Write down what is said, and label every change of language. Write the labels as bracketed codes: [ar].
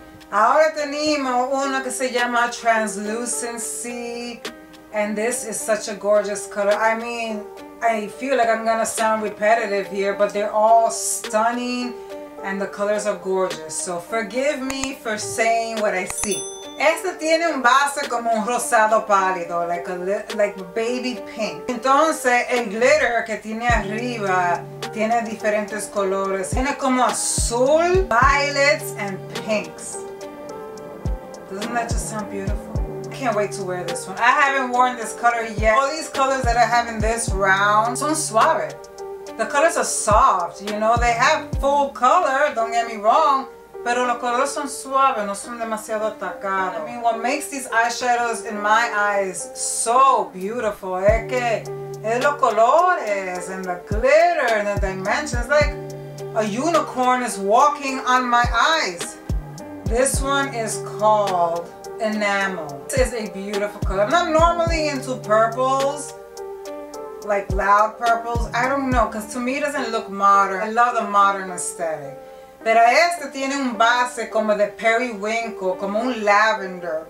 [es] Ahora tenemos uno que se llama Translucency. [en] And this is such a gorgeous color. I mean, I feel like I'm gonna sound repetitive here, but they're all stunning and the colors are gorgeous. So forgive me for saying what I see. [es] Este tiene un base como un rosado pálido, [en] like baby pink. [es] Entonces, el glitter que tiene arriba tiene diferentes colores. Tiene como azul, [en] violets, and pinks. Doesn't that just sound beautiful? I can't wait to wear this one. I haven't worn this color yet. All these colors that I have in this round, [es] son suave. [en] The colors are soft, you know? They have full color, don't get me wrong. [es] Pero los colores son suaves, no son demasiado atacados. [en] I mean, what makes these eyeshadows in my eyes so beautiful [es] es que es los colores [en] and the glitter and the dimensions. Like a unicorn is walking on my eyes. This one is called Enamel. This is a beautiful color. I'm not normally into purples, like loud purples. I don't know, because to me it doesn't look modern. I love the modern aesthetic. [es] Pero este tiene un base como de periwinkle, como un lavender.